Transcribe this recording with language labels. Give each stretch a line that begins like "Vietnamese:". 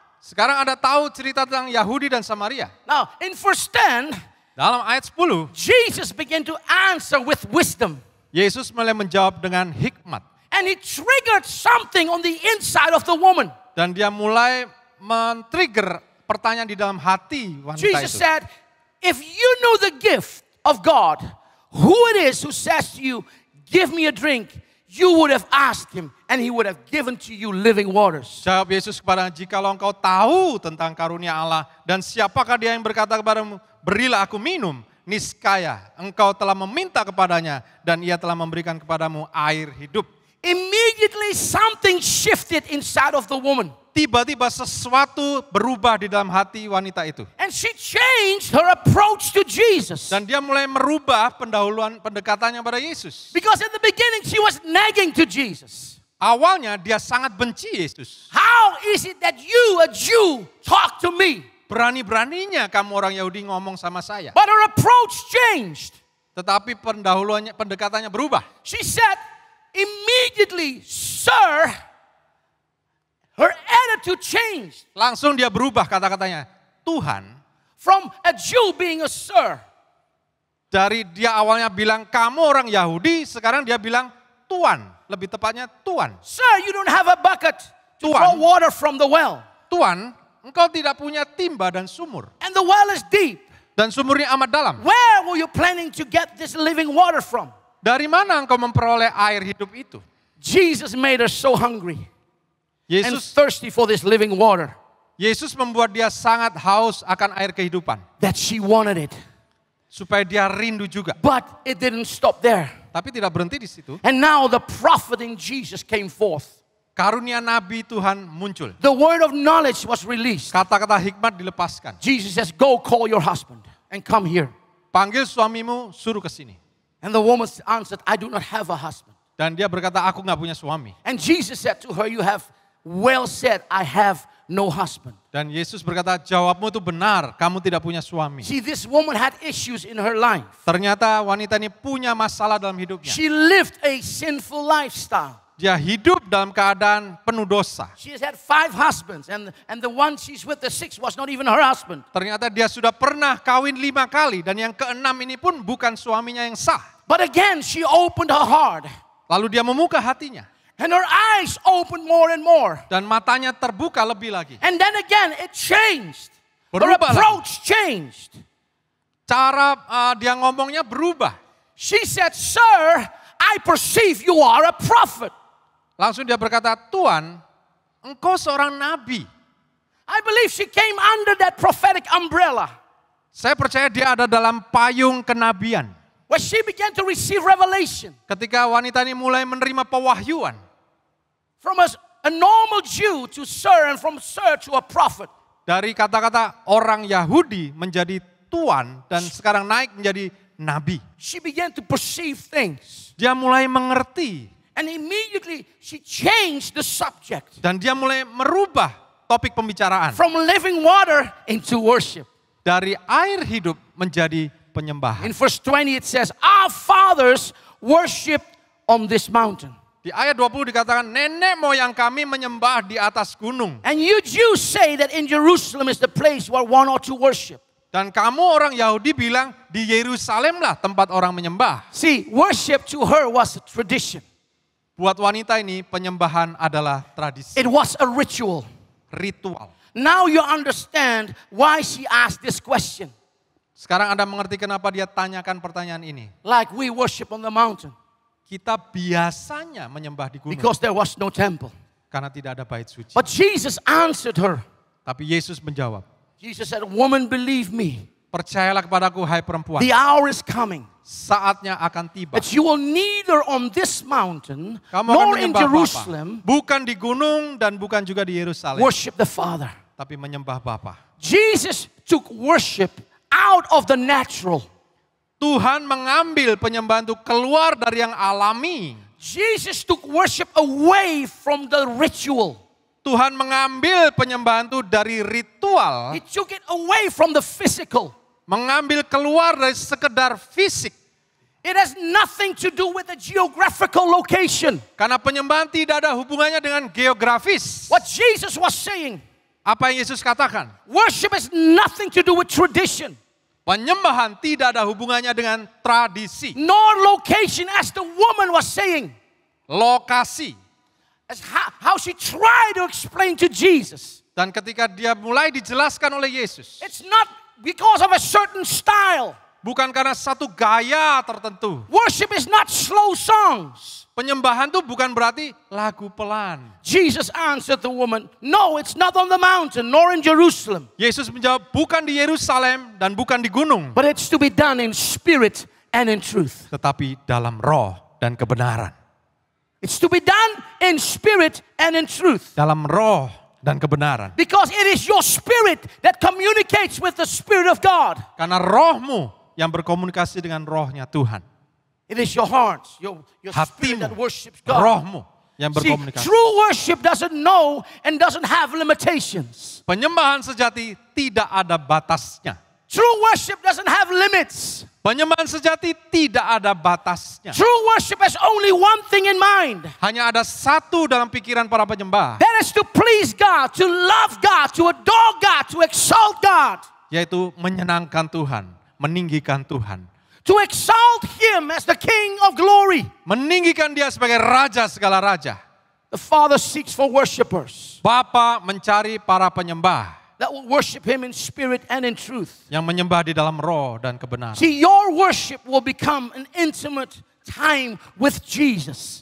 Indonesian: Sekarang Anda tahu cerita tentang Yahudi dan Samaria.
English: Now, in verse 10,
Indonesian: dalam ayat 10,
English: Jesus began to answer with wisdom.
Indonesian: Yesus mulai menjawab dengan hikmat.
English: And he triggered something on the inside of the woman.
Indonesian: Dan dia mulai men-trigger pertanyaan di dalam hati wanita
English: Jesus
Indonesian: itu.
English: Jesus said, if you know the gift of God, who it is who says to you, give me a drink, you would have asked him and he would have given to you living waters.
Indonesian: Jawab Yesus kepada, jikalau engkau tahu tentang karunia Allah dan siapakah dia yang berkata kepadamu, berilah aku minum, niscaya engkau telah meminta kepadanya dan ia telah memberikan kepadamu air hidup.
English: Immediately something shifted inside of the woman.
Indonesian: Tiba-tiba sesuatu berubah di dalam hati wanita itu.
English: And she changed her approach to Jesus.
Indonesian: Dan dia mulai merubah pendahuluan pendekatannya pada Yesus.
English: Because in the beginning she was nagging to Jesus.
Indonesian: Awalnya dia sangat benci Yesus.
English: How is it that you, a Jew, talk to me?
Indonesian: Berani-beraninya kamu orang Yahudi ngomong sama saya.
English: But her approach changed. Tetapi pendahuluannya pendekatannya berubah. She said immediately, sir, Her attitude changed.
Indonesian: Langsung dia berubah kata-katanya. Tuhan.
English: From a Jew being a sir.
Indonesian: Dari dia awalnya bilang kamu orang Yahudi, sekarang dia bilang Tuan. Lebih tepatnya Tuan.
English: Sir, you don't have a bucket to draw water from the well.
Indonesian: Tuan, engkau tidak punya timba dan sumur.
English: And the well is deep.
Indonesian: Dan sumurnya amat dalam.
English: Where were you planning to get this living water from?
Indonesian: Dari mana engkau memperoleh air hidup itu?
English: Jesus made her so hungry.
Indonesian: Yesus,
English: and thirsty for this living water.
Indonesian: Yesus membuat dia sangat haus akan air kehidupan.
English: That she wanted it.
Indonesian: Supaya dia rindu juga.
English: But it didn't stop there.
Indonesian: Tapi tidak berhenti di situ.
English: And now the prophet in Jesus came forth.
Indonesian: Karunia Nabi Tuhan muncul.
English: The word of knowledge was released.
Indonesian: Kata-kata hikmat dilepaskan.
English: Jesus says, "Go call your husband and come here."
Indonesian: Panggil suamimu, suruh ke sini.
English: And the woman answered, "I do not have a husband."
Indonesian: Dan dia berkata, "Aku enggak punya suami."
English: And Jesus said to her, "You have well said, I have no husband."
Indonesian: Dan Yesus berkata, "Jawabmu itu benar, kamu tidak punya suami."
English: See, this woman had issues in her life.
Indonesian: Ternyata wanita ini punya masalah dalam hidupnya.
English: She lived a sinful lifestyle.
Indonesian: Dia hidup dalam keadaan penuh dosa.
English: She has had five husbands and the one she's with, the sixth, was not even her husband.
Indonesian: Ternyata dia sudah pernah kawin 5 kali dan yang keenam ini pun bukan suaminya yang sah.
English: But again she opened her heart.
Indonesian: Lalu dia membuka hatinya.
English: And her eyes opened more and more.
Indonesian: Dan matanya terbuka lebih lagi.
English: And then again it changed.
Indonesian: Berubah.
English: Her approach changed.
Indonesian: Cara dia ngomongnya berubah.
English: She said, "Sir, I perceive you are a prophet."
Indonesian: Langsung dia berkata, "Tuan, engkau seorang nabi."
English: I believe she came under that prophetic umbrella.
Indonesian: Saya percaya dia ada dalam payung kenabian.
English: When she began to receive revelation.
Indonesian: Ketika wanita ini mulai menerima pewahyuan.
English: From a normal Jew to sir and from sir to a prophet.
Indonesian: Dari kata-kata orang Yahudi menjadi tuan dan sekarang naik menjadi nabi.
English: She began to perceive things.
Indonesian: Dia mulai mengerti.
English: And immediately she changed the subject.
Indonesian: Dan dia mulai merubah topik pembicaraan.
English: From living water into worship.
Indonesian: Dari air hidup menjadi penyembahan.
English: In verse 20 it says, "Our fathers worshiped on this mountain."
Indonesian: Di ayat 20 dikatakan, "Nenek moyang kami menyembah di atas gunung."
English: And you Jews say that in Jerusalem is the place where one ought to worship.
Indonesian: Dan kamu orang Yahudi bilang di Yerusalemlah tempat orang menyembah.
English: See, worship to her was a tradition.
Indonesian: Buat wanita ini penyembahan adalah tradisi.
English: It was a ritual.
Indonesian: Ritual.
English: Now you understand why she asked this question.
Indonesian: Sekarang Anda mengerti kenapa dia tanyakan pertanyaan ini.
English: Like we worship on the mountain.
Indonesian: Kita biasanya menyembah di gunung.
English: Because there was no temple.
Indonesian: Karena tidak ada bait suci.
English: But Jesus answered her.
Indonesian: Tapi Yesus menjawab.
English: Jesus said, "Woman, believe me.
Indonesian: Percayalah kepadaku, hai perempuan.
English: The hour is coming.
Indonesian: Saatnya akan tiba.
English: But you will neither on this mountain
Indonesian: kamu
English: nor in Jerusalem,
Indonesian: Bapa. Bukan di gunung dan bukan juga di Yerusalem.
English: Worship the Father.
Indonesian: Tapi menyembah Bapa."
English: Jesus took worship out of the natural.
Indonesian: Tuhan mengambil penyembahan itu keluar dari yang alami.
English: Jesus took worship away from the ritual.
Indonesian: Tuhan mengambil penyembahan itu dari ritual.
English: He took it away from the physical.
Indonesian: Mengambil keluar dari sekedar fisik.
English: It has nothing to do with the geographical location.
Indonesian: Karena penyembahan tidak ada hubungannya dengan geografis.
English: What Jesus was saying.
Indonesian: Apa yang Yesus katakan?
English: Worship has nothing to do with tradition.
Indonesian: Penyembahan tidak ada hubungannya dengan tradisi.
English: Nor location, as the woman was saying.
Indonesian: Lokasi.
English: As how she tried to explain to Jesus.
Indonesian: Dan ketika dia mulai dijelaskan oleh Yesus.
English: It's not because of a certain style.
Indonesian: Bukan karena satu gaya tertentu.
English: Worship is not slow songs.
Indonesian: Penyembahan itu bukan berarti lagu pelan.
English: Jesus answered the woman, "No, it's not on the mountain nor in Jerusalem."
Indonesian: Yesus menjawab, bukan di Yerusalem dan bukan di gunung.
English: But it's to be done in spirit and in truth.
Indonesian: Tetapi dalam roh dan kebenaran.
English: It's to be done in spirit and in truth.
Indonesian: Dalam roh dan kebenaran.
English: Because it is your spirit that communicates with the spirit of God.
Indonesian: Karena rohmu yang berkomunikasi dengan rohnya Tuhan.
English: It is your heart, your
Indonesian: hatimu,
English: spirit that worships God.
Indonesian: Rohmu yang berkomunikasi.
English: See, true worship doesn't know and doesn't have limitations.
Indonesian: Penyembahan sejati tidak ada batasnya.
English: True worship doesn't have limits.
Indonesian: Penyembahan sejati tidak ada batasnya.
English: True worship has only one thing in mind.
Indonesian: Hanya ada satu dalam pikiran para penyembah.
English: That is to please God, to love God, to adore God, to exalt God.
Indonesian: Yaitu menyenangkan Tuhan, meninggikan Tuhan.
English: To exalt Him as the King of Glory.
Indonesian: Meninggikan Dia sebagai Raja segala Raja.
English: The Father seeks for worshipers.
Indonesian: Bapa mencari para penyembah.
English: That will worship Him in spirit and in truth.
Indonesian: Yang menyembah di dalam roh dan kebenaran.
English: See, your worship will become an intimate time with Jesus.